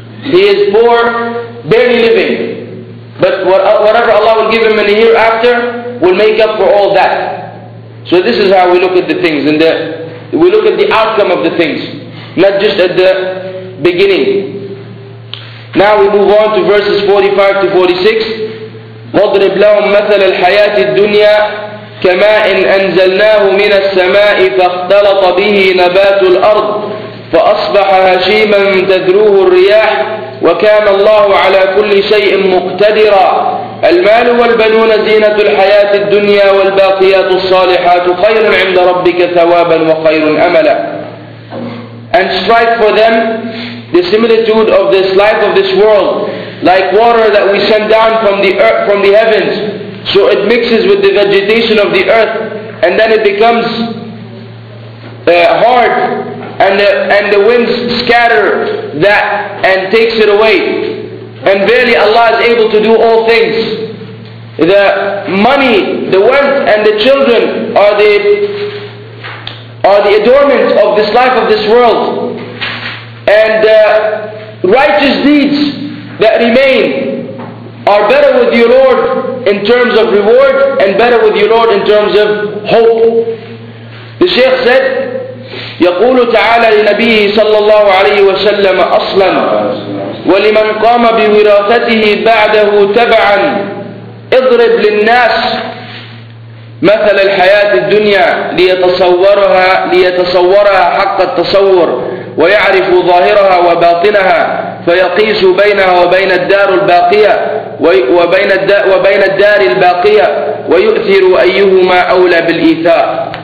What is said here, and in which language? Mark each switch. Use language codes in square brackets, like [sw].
[en] He is poor, barely living. But whatever Allah will give him in the hereafter will make up for all that. So this is how we look at the things, and we look at the outcome of the things, not just at the beginning. Now we move on to verses 45 to 46. [ar] وَاضْرِبْ لَهُمْ مَثَلَ الْحَيَاةِ الدُّنْيَا كَمَاءٍ أَنْزَلْنَاهُ مِنَ السَّمَاءِ فَاخْتَلَطَ بِهِ نَبَاتُ الْأَرْضِ فَأَصْبَحَ هَشِيمًا تَذْرُوهُ الرِّيَاحُ وكان الله على كل شيء مقتدرا المال والبنون زينة الحياة الدنيا والباقيات الصالحات خير عند ربك ثوابا وخير أملا. [en] And strike for them the similitude of this life of this world, like water that we send down from the earth, from the heavens, so it mixes with the vegetation of the earth, and then it becomes hard, and the winds scatter that and takes it away. And verily Allah is able to do all things. The money, the wealth, and the children are the adornment of this life of this world. And the righteous deeds that remain are better with your Lord in terms of reward, and better with your Lord in terms of hope. The Shaykh said, [ar] يقول تعالى لنبيه صلى الله عليه وسلم أصلا ولمن قام بوراثته بعده تبعا اضرب للناس مثل الحياة الدنيا ليتصورها حق التصور ويعرف ظاهرها وباطنها فيقيس بينها وبين الدار الباقية وبين الدار الباقية ويؤثر أيهما أولى بالإيثار.